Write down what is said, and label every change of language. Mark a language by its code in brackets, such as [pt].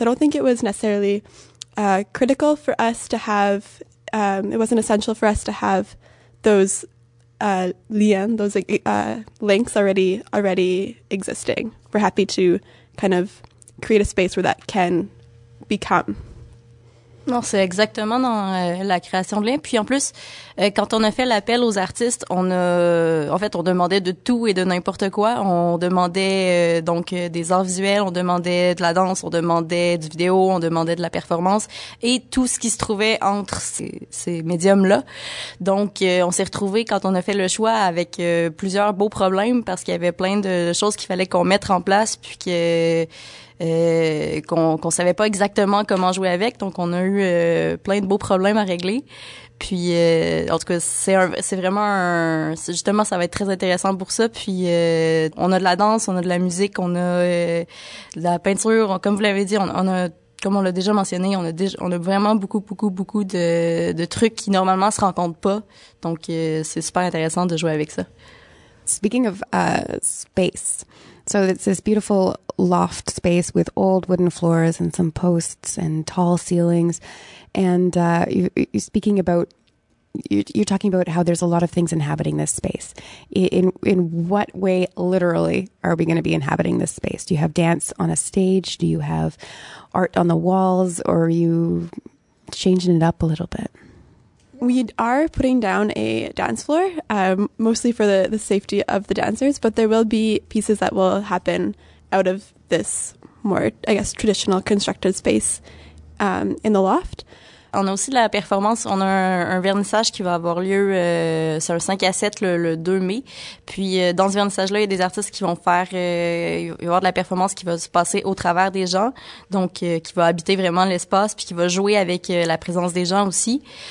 [en] I don't think it was necessarily critical for us to have, it wasn't essential for us to have those links already existing. We're happy to kind of create a space where that can become. [fr] Non, c'est exactement dans la création de liens. Puis en plus, quand on a fait l'appel aux artistes, on demandait de tout et de n'importe quoi. On demandait donc des arts visuels, on demandait de la danse, on demandait du vidéo, on demandait de la performance et tout ce qui se trouvait entre ces médiums-là. Donc, on s'est retrouvé quand on a fait le choix avec plusieurs beaux problèmes parce qu'il y avait plein de choses qu'il fallait qu'on mette en place puis que... qu'on savait pas exactement comment jouer avec, donc on a eu plein de beaux problèmes à régler. Puis en tout cas, c'est justement ça va être très intéressant pour ça. Puis on a de la danse, on a de la musique, on a de la peinture, comme vous l'avez dit, on a vraiment beaucoup de trucs qui normalement se rencontrent pas. Donc c'est super intéressant de jouer avec ça. [en] Speaking of space. So it's this beautiful loft space with old wooden floors and some posts and tall ceilings. And you're talking about how there's a lot of things inhabiting this space. In what way, literally, are we going to be inhabiting this space? Do you have dance on a stage? Do you have art on the walls? Or are you changing it up a little bit? We are putting down a dance floor, mostly for the safety of the dancers, but there will be pieces that will happen out of this more, I guess, traditional constructed space in the loft. [fr] On a aussi la performance, on a un vernissage qui va avoir lieu sur le 5 à 7 le 2 mai. Puis dans ce vernissage-là, il y a des artistes qui vont faire, il va y avoir de la performance qui va se passer au travers des gens, donc qui va habiter vraiment l'espace, puis qui va jouer avec la présence des gens aussi.